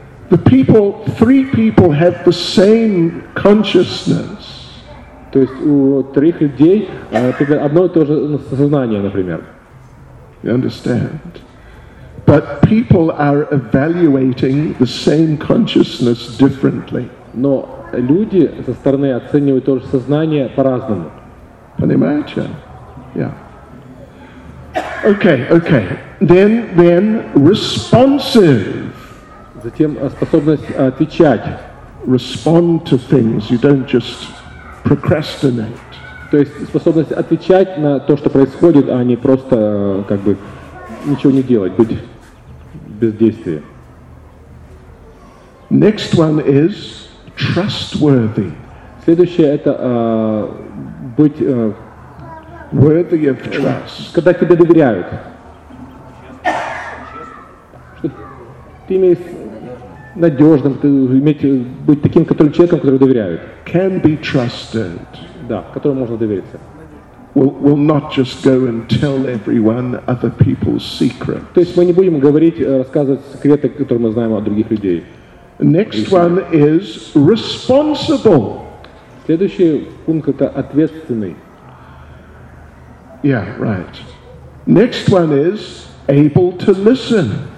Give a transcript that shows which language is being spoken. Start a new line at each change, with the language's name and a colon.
English: The people, three people have the same consciousness.
Russian: То есть у трех людей одно и то же сознание, например.
English: You understand? But people are evaluating the same consciousness differently.
Russian: Но люди со стороны оценивают то же сознание по-разному. Понимаете?
English: Yeah. Okay, okay. Then responsive.
Russian: Затем способность отвечать.
English: Respond to things. You don't just procrastinate.
Russian: То есть способность отвечать на то, что происходит, а не просто как бы ничего не делать, быть бездействие.
English: Next one is trustworthy.
Russian: Следующее это быть
English: worthy of trust.
Russian: Когда тебе доверяют. Ты имеешь надежным, ты иметь быть таким, которым человеком, который доверяют.
English: Can be trusted.
Russian: Да, которому можно довериться.
English: We'll not just go and tell everyone other people's secrets.
Russian: То есть мы не будем говорить, рассказывать секреты, которые мы знаем от других людей.
English: Next one is responsible.
Russian: Следующий пункт это ответственный.
English: Yeah, right. Next one is able to listen.